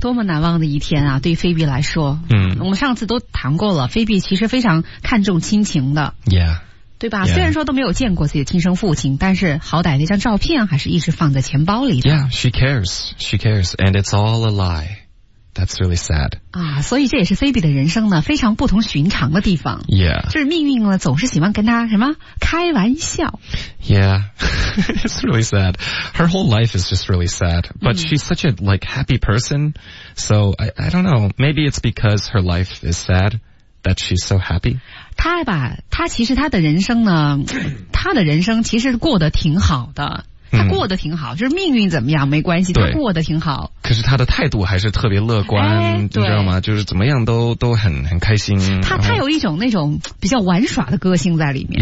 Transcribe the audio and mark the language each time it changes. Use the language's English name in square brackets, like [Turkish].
[Chinese] 多么难忘的一天啊，对菲比来说。嗯，我们上次都谈过了，菲比其实非常看重亲情的。 [English] Yeah. [Chinese] 对吧？ [English] Yeah. [Chinese] 虽然说都没有见过自己的亲生父亲，但是好歹那张照片还是一直放在钱包里的。 [English] Yeah, she cares. She cares. And it's all a lie. That's really sad. [Chinese] 啊，所以这也是菲比的人生呢，非常不同寻常的地方。 [English] Yeah. [Chinese] 就是命运呢，总是喜欢跟他什么开玩笑。 [English] Yeah. It's really sad. Her whole life is just really sad. But she's such a, like, happy person. So, I don't know. Maybe it's because her life is sad that she's so happy. [Chinese] 她吧，她其实她的人生呢，她的人生其实过得挺好的。他过得挺好，就是命运怎么样没关系，他过得挺好。可是他的态度还是特别乐观，你知道吗？就是怎么样都很开心。他有一种那种比较玩耍的个性在里面，